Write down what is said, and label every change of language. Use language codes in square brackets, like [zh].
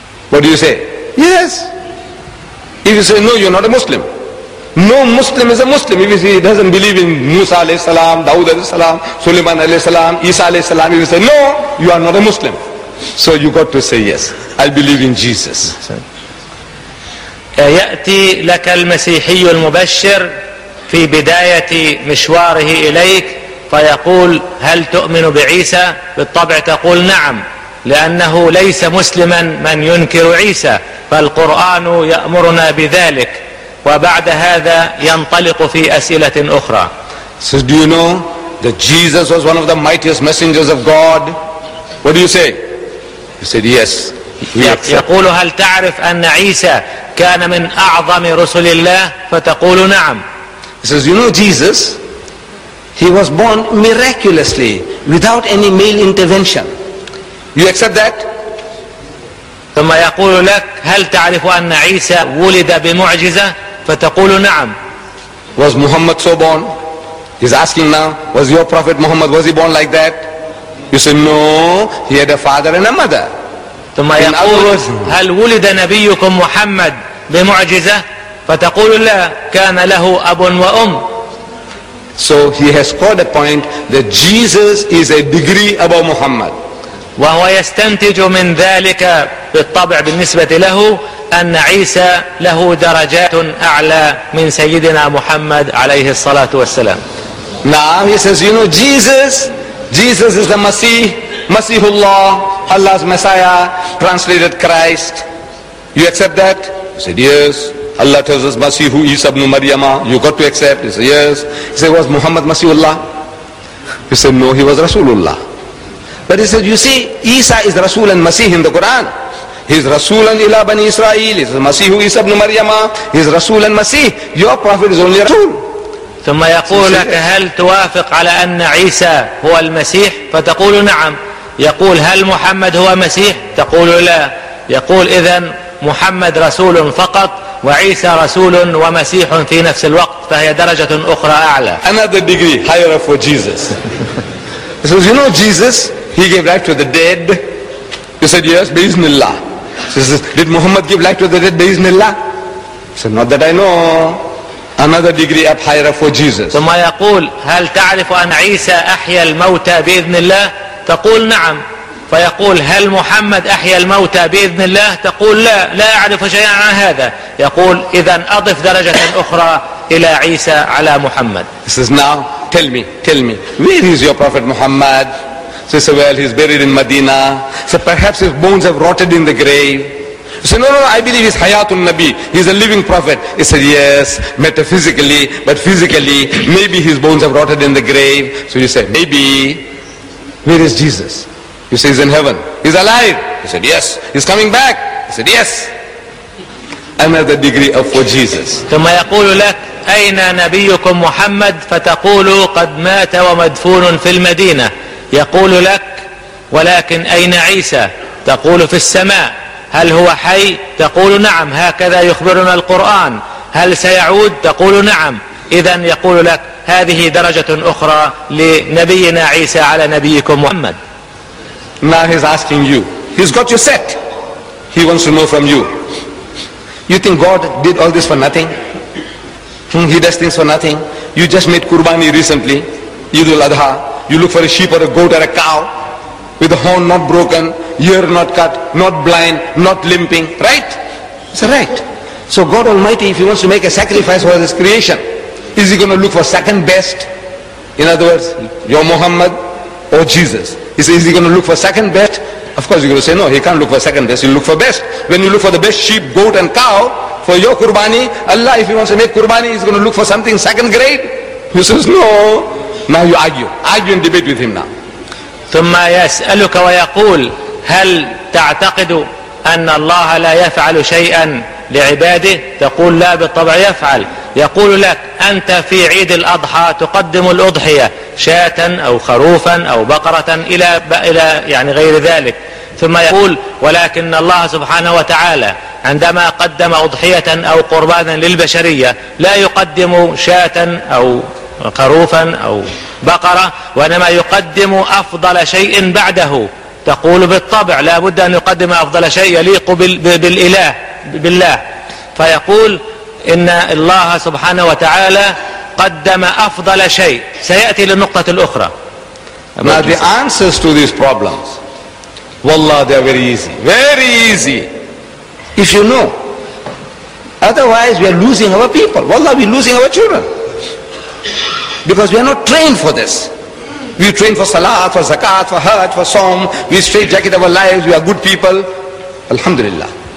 [en] What do you say? Yes. If you say no, you're not a Muslim. No Muslim is a Muslim. If you say he doesn't believe in Musa alayhi salam, Dawud alayhi salam, Suleiman alayhi salam, Isa alayhi salam, if you say no, you are not a Muslim. So you got to say yes, I believe in Jesus. [ar] يأتي لك المسيحي المبشر في بداية مشواره إليك فيقول هل تؤمن بعيسى؟ بالطبع تقول نعم لأنه ليس مسلما من ينكر عيسى فالقرآن يأمرنا بذلك وبعد هذا ينطلق في أسئلة أخرى. [en] So do you know that Jesus was one of the mightiest messengers of God? What do you say? He said yes. [ar] يقول هل تعرف أن عيسى كان من أعظم رسل الله؟ فتقول نعم. [en] He says, you know Jesus, he was born miraculously without any male intervention. You accept that? [ar] ثم يقول لك هل تعرف أن عيسى ولد بمعجزة؟ فتقول نعم. [en] Was Muhammad so born? He's asking now, was your prophet Muhammad, was he born like that? You say, no, he had a father and a mother. [ar] ثم يقول هل ولد نبيكم محمد بمعجزة؟ فتقول لا كان له أب وأم. [en] So he has scored a point that Jesus is a degree above Muhammad. [ar] وهو يستنتج من ذلك بالطبع بالنسبة له أن عيسى له درجات أعلى من سيدنا محمد عليه الصلاة والسلام. [en] Now he says, you know, Jesus is the Messiah, Messiahullah, Allah's Messiah, translated Christ. You accept that? He said, yes. Allah tells us, Masihu Isa ibn Maryama, you got to accept. He said, yes. He said, was Muhammad Masihullah? He said, no, he was Rasulullah. But he said, you see, Isa is Rasul and Masih in the Quran. He's Rasul and Ila Bani Israel. He's Masihu Isa ibn Maryama. He's Rasul and Masih. Your prophet is only Rasul. [ar] ثم يقول لك هل توافق على أن عيسى هو المسيح فتقول نعم يقول هل محمد هو مسيح تقول لا يقول إذن محمد رسول فقط وعيسى رسول ومسيح في نفس الوقت فهي درجة أخرى أعلى [en] another degree higher for Jesus he says you know Jesus he gave life to the dead he said yes [ar] بإذن الله [en] he says did Muhammad give life to the dead بإذن الله he said not that I know Another degree up higher for Jesus. [ar] ثم يقول هل تعرف أن عيسى أحيا الموتى بإذن الله؟ تقول نعم. فيقول هل محمد أحيا الموتى بإذن الله؟ تقول لا. لا أعرف شيئا عن هذا. يقول إذن أضف درجة أخرى إلى عيسى على محمد. [en] He says now, tell me, where is your prophet Muhammad? He says well, he's buried in Medina. So perhaps his bones have rotted in the grave. He said, no, I believe he's Hayatul Nabi. He's a living prophet. He said, yes, metaphysically, but physically, maybe his bones have rotted in the grave. So you say, maybe. Where is Jesus? You say, he's in heaven. He's alive. He said, yes. He's coming back. He said, yes. Another degree of for Jesus. [ar] ثم يقول لك, أين نبيكم محمد؟ فتقول قد مات ومدفون في المدينة. يقول لك, ولكن أين عيسى؟ تقول في السماء. هل هو حي؟ تقول نعم هكذا يخبرنا القرآن هل سيعود؟ تقول نعم إذن يقول لك هذه درجة أخرى لنبينا عيسى على نبيكم محمد [en] Now he's asking you He's got you set He wants to know from you You think God did all this for nothing? He does things for nothing? You just made Qurbani recently Eid al-Adha You look for a sheep or a goat or a cow with the horn not broken ear not cut not blind not limping right it's right so God Almighty if he wants to make a sacrifice for his creation is he going to look for second best in other words your Muhammad or Jesus he says is he going to look for second best of course you're going to say no he can't look for second best he'll look for best when you look for the best sheep goat and cow for your Qurbani Allah if he wants to make Qurbani he's going to look for something second grade he says no now you argue and debate with him now [ar] ثم يسألك ويقول هل تعتقد أن الله لا يفعل شيئا لعباده تقول لا بالطبع يفعل يقول لك أنت في عيد الأضحى تقدم الأضحية شاة أو خروفا أو بقرة إلى يعني غير ذلك ثم يقول ولكن الله سبحانه وتعالى عندما قدم أضحية أو قربانا للبشرية لا يقدم شاة أو خروفا أو بقرة وإنما يقدم أفضل شيء بعده تقول بالطبع لا بد أن يقدم أفضل شيء يليق بالإله بالله فيقول إن الله سبحانه وتعالى قدم أفضل شيء سيأتي للنقطة الأخرى [en] Now the answers to these problems والله they are very easy Very easy If you know Otherwise we are losing our people والله we are losing our children Because we are not trained for this. We train for salat, for zakat, for hajj, for psalm. We straitjacket our lives. We are good people. Alhamdulillah.